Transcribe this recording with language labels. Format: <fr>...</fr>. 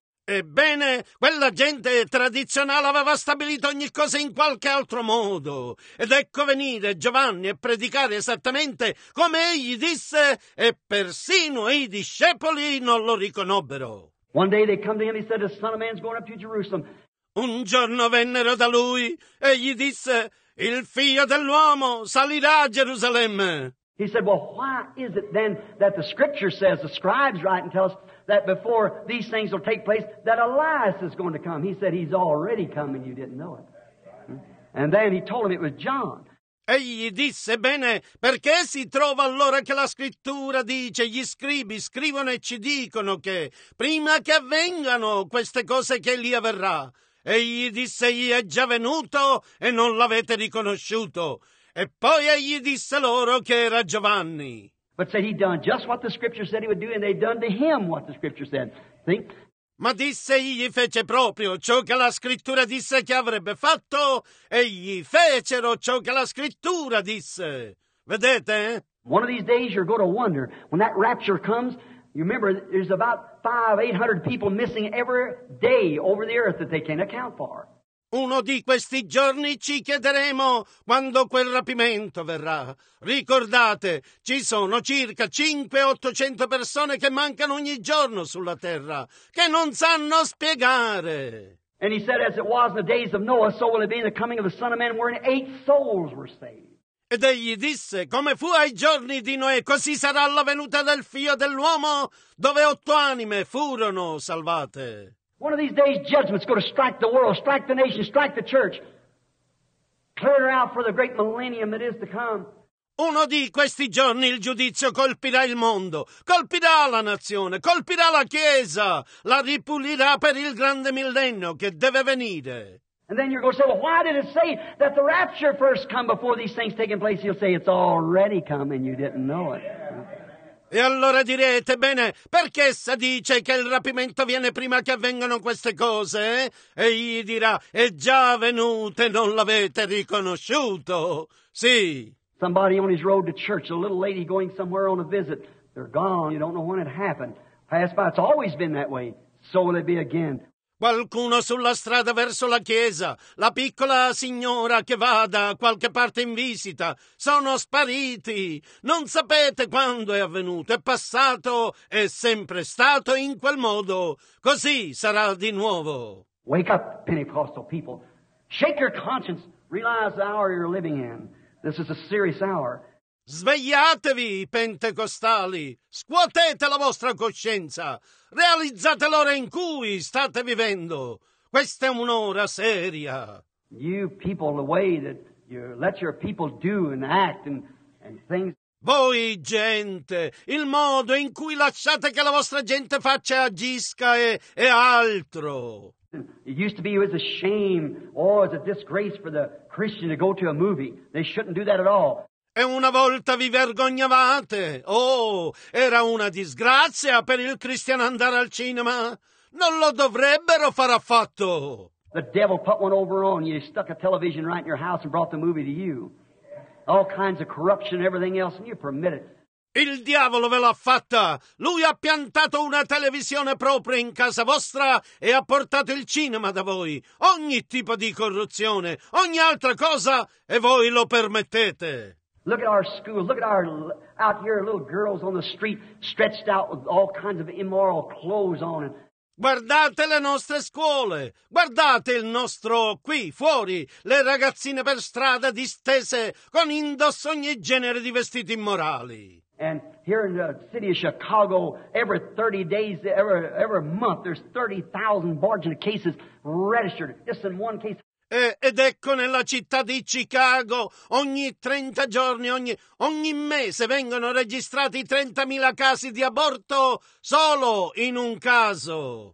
<it>Ebbene, quella gente tradizionale aveva stabilito ogni cosa in qualche altro modo. Ed ecco venire Giovanni e predicare esattamente come egli disse, e persino i discepoli non lo riconobbero.</it> <en>One day they come to him, he said, the Son of Man's going up to Jerusalem.</en> <it>Un giorno vennero da lui e gli disse, il Figlio dell'uomo salirà a Gerusalemme.</it> <en>He said, well, why is it then that the scripture says, the scribes write and tell us, that before these things will take place, that Elias is going to come. He said, he's already come and you didn't know it. And then he told him it was John.</en> <it>Egli disse, bene, perché si trova allora che la scrittura dice, gli scribi scrivono e ci dicono che prima che avvengano queste cose che lì avverrà. Egli disse, gli è già venuto e non l'avete riconosciuto. E poi egli disse loro che era Giovanni.</it> <en>But said he'd done just what the scripture said he would do, and they'd done to him what the scripture said. Think?</en> <it>Ma disse egli fece proprio ciò che la scrittura disse che avrebbe fatto, e gli fecero ciò che la scrittura disse. Vedete?</it> <en>One of these days you're going to wonder, when that rapture comes, you remember there's about 500-800 people missing every day over the earth that they can't account for.</en> <it>Uno di questi giorni ci chiederemo quando quel rapimento verrà. Ricordate, ci sono circa 500-800 persone che mancano ogni giorno sulla terra, che non sanno spiegare.</it> <en>And he said, as it was in the days of Noah, so will it be in the coming of the Son of Man, wherein eight souls were saved.</en> <it>Ed egli disse, come fu ai giorni di Noè, così sarà la venuta del Figlio dell'uomo, dove otto anime furono salvate.</it> <en>One of these days judgment's going to strike the world, strike the nation, strike the church. Clear out for the great millennium that is to come.</en> <it>Uno di questi giorni il giudizio colpirà il mondo, colpirà la nazione, colpirà la Chiesa, la ripulirà per il grande millennio che deve venire.</it> <en>And then you're going to say, well, why did it say that the rapture first come before these things taking place? You'll say, it's already come and you didn't know it.</en> <it>E allora direte, bene, perché essa dice che il rapimento viene prima che avvengano queste cose? E gli dirà, è già venuto e non l'avete riconosciuto. Sì.</it> <en>Somebody on his road to church, a little lady going somewhere on a visit, they're gone, you don't know when it happened. Pass by, it's always been that way, so will it be again.</en> <it>Qualcuno sulla strada verso la chiesa, la piccola signora che va da qualche parte in visita, sono spariti. Non sapete quando è avvenuto, è passato, è sempre stato in quel modo. Così sarà di nuovo.</it> <en>Wake up, Pentecostal people. Shake your conscience. Realize the hour you're living in. This is a serious hour.</en> <it>Svegliatevi, pentecostali, scuotete la vostra coscienza, realizzate l'ora in cui state vivendo. Questa è un'ora seria.</it> <en>You people, the way that you let your people do and act and things.</en> <it>Voi gente, il modo in cui lasciate che la vostra gente faccia e agisca è altro.</it> <en>It used to be it was a shame or it was a disgrace for the Christian to go to a movie. They shouldn't do that at all.</en> <it>E una volta vi vergognavate. Oh, era una disgrazia per il cristiano andare al cinema. Non lo dovrebbero far affatto.</it> <en>The devil put one over on you. He stuck a television right in your house and brought the movie to you. All kinds of corruption and everything else, and you permit it.</en> <it>Il diavolo ve l'ha fatta. Lui ha piantato una televisione propria in casa vostra e ha portato il cinema da voi. Ogni tipo di corruzione, ogni altra cosa, e voi lo permettete.</it> <en>Look at our school, look at our out here little girls on the street stretched out with all kinds of immoral clothes on.</en> <it>Guardate le nostre scuole, guardate il nostro qui fuori, le ragazzine per strada distese con indosso ogni genere di vestiti immorali.</it> <en>And here in the city of Chicago, every 30 days, every month, there's 30,000 barging cases registered, just in one case.</en> <it>Ed ecco nella città di Chicago, ogni 30 giorni, ogni mese vengono registrati 30,000 casi di aborto solo in un caso.</it>